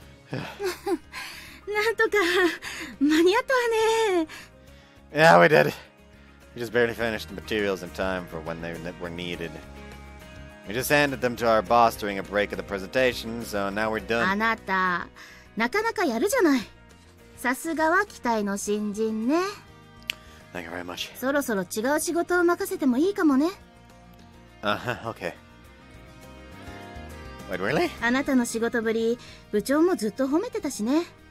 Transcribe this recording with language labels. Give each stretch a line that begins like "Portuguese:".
Japanese: なんとか間に合ったわね。
English: Yeah, we did. We just barely finished the materials in time for when they were needed. We just handed them to our boss during a break of the presentation, so now we're done.
Japanese: あなた、なかなかやるじゃない。さすがは期待の新人ね。
English: Thank you very much.
Japanese: そろそろ違う仕事を任せてもいいかもね。
English: Okay. Wait, really?
Japanese: あなたの仕事ぶり、部長もずっと褒めてたしね。